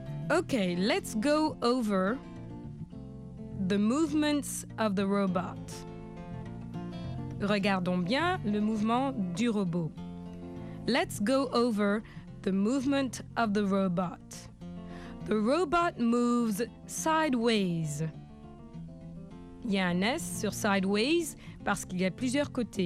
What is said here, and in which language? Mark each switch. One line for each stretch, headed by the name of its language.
English: Okay, let's go over the movements of the robot.
French: Regardons bien le mouvement du robot.
English: Let's go over the movement of the robot. The robot moves sideways.
French: Il y a un S sur sideways parce qu'il y a plusieurs côtés.